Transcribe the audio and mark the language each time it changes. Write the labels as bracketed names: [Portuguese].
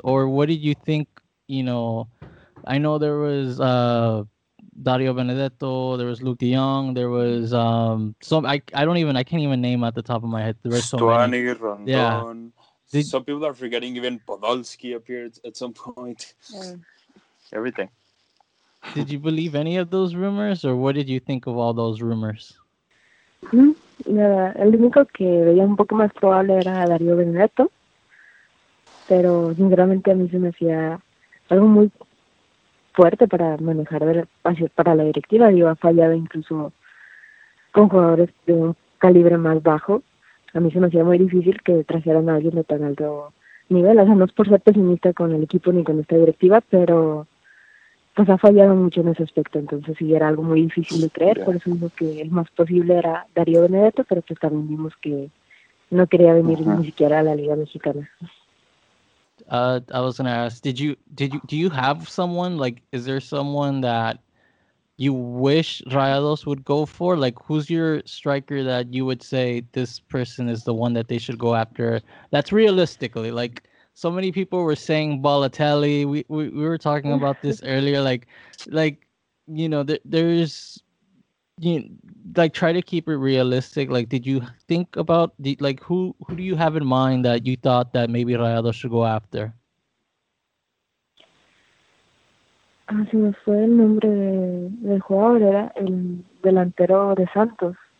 [English] Or what did you think, you know, I know there was Dario Benedetto, there was Luke de Jong, there was I can't even name at the top of my head. There were so many. Stuani, Rondon. Yeah. Some people are forgetting even Podolski appeared at some point. Yeah. Everything. Did you believe any of those rumors, or what did you think of all those rumors? [Spanish] El único que veía un poco más probable era Dario Benedetto, pero sinceramente a mí se me hacía algo muy fuerte para manejar para la directiva. Digo, ha fallado incluso con jugadores de un calibre más bajo. A mí se me hacía muy difícil que trajeran a alguien de tan alto nivel. O sea, no es por ser pesimista con el equipo ni con esta directiva, pero pues ha fallado mucho en ese aspecto. Entonces sí, era algo muy difícil de creer. Por eso digo que el más posible era Dario Benedetto, pero pues también vimos que no quería venir ni siquiera a la Liga Mexicana. [English] I was gonna ask, do you have someone, like, is there someone that you wish Rayados would go for? Like, who's your striker that you would say this person is the one that they should go after? That's realistically, like, so many people were saying Balotelli. We were talking about this earlier. Like, you know, there's, you know, like, try to keep it realistic. Like, did you think about, who do you have in mind that you thought that maybe Rayado should go after? [Spanish] Se me fue el nombre del jugador, era el delantero de Santos.